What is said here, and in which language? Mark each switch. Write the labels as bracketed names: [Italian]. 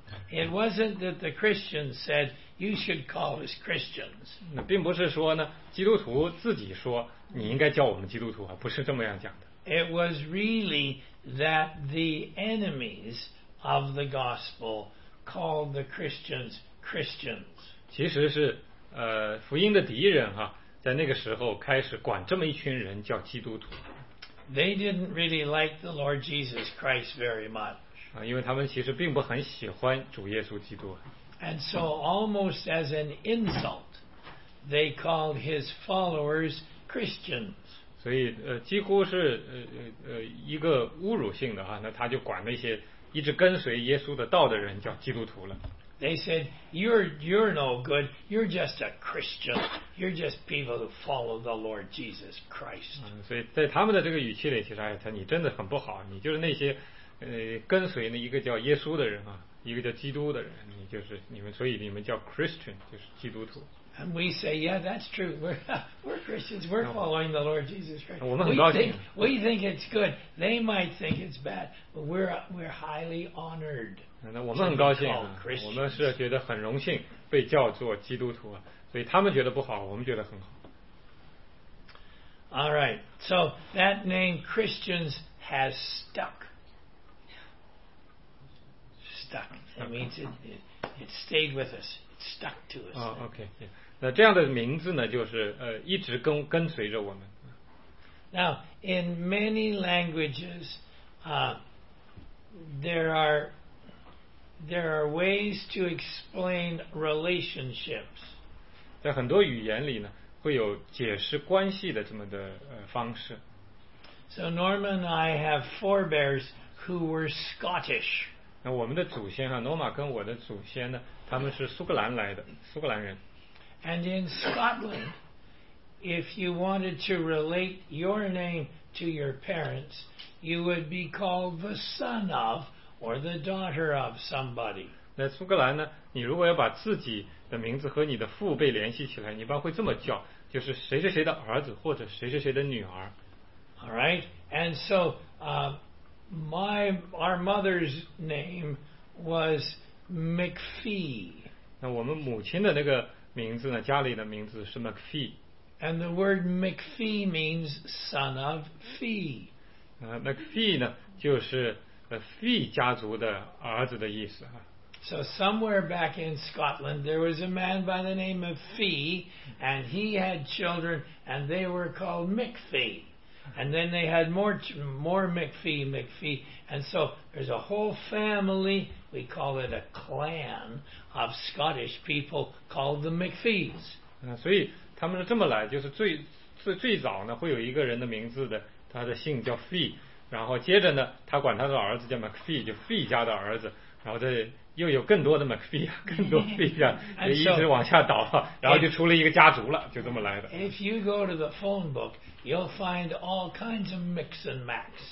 [English] It wasn't that the Christians said you should call us Christians. [Chinese] 那并不是说呢，基督徒自己说你应该叫我们基督徒啊，不是这么样讲的。 [English] It was really that the enemies of the gospel called the Christians Christians. [Chinese] 其实是福音的敌人哈，在那个时候开始管这么一群人叫基督徒。 [English] They didn't really like the Lord Jesus Christ very much. [Chinese] 因为他们其实并不很喜欢主耶稣基督。 [English] And so almost as an insult, they called his followers Christians. [Chinese] 所以几乎是一个侮辱性的啊，那他就管那些一直跟随耶稣的道的人叫基督徒了。 [English] They said, you're no good, you're just a Christian, you're just people who follow the Lord Jesus Christ. [Chinese] 所以在他们的这个语气里其实你真的很不好，你就是那些跟随那一个叫耶稣的人啊，一个叫基督的人，你就是你们，所以你们叫 Christian， 就是基督徒。 [English] And we say, yeah, that's true. We're Christians. We're following the Lord Jesus Christ. [Chinese] 我们很高兴。 [English] We think it's good. They might think it's bad, but we're highly honored. [Chinese] 那我们很高兴、啊，我们是觉得很荣幸被叫做基督徒啊。所以他们觉得不好，我们觉得很好。 [English] All right. So that name Christians has stuck. Stuck. That means it stayed with us. It stuck to us. Oh, okay. Yeah. [Chinese] 那这样的名字呢，就是一直跟随着我们。 [English] Now, in many languages, there are ways to explain relationships. [Chinese] 在很多语言里呢，会有解释关系的这么的方式。 [English] So Norma and I have forebears who were Scottish. [Chinese] 那我们的祖先啊，罗马跟我的祖先呢，他们是苏格兰来的，苏格兰人。 [English] And in Scotland, if you wanted to relate your name to your parents, you would be called the son of or the daughter of somebody. [Chinese] 在苏格兰呢，你如果要把自己的名字和你的父辈联系起来，你一般会这么叫，就是谁是谁的儿子或者谁是谁的女儿。 [English] All right, and so our mother's name was McPhee. [Chinese] 那我们母亲的那个名字呢，家里的名字是 McPhee。 [English] And the word McPhee means son of Fee. [Chinese] McPhee 呢，就是Fee 家族的儿子的意思啊。 [English] So somewhere back in Scotland, there was a man by the name of Fee, and he had children, and they were called McPhee. And then they had more McPhee. And so there's a whole family, we call it a clan, of Scottish people called the McPhees. [Chinese] 所以他们是这么来，就是最早呢，会有一个人的名字的，他的姓叫 Fee， 然后接着呢，他管他的儿子叫 McPhee， 就 Fee 家的儿子，然后再又有更多的 McPhee， 更多 Fee 家，就一直往下倒，然后就出了一个家族了，就这么来的。 [English] If you go to the phone book, you'll find all kinds of mix and max.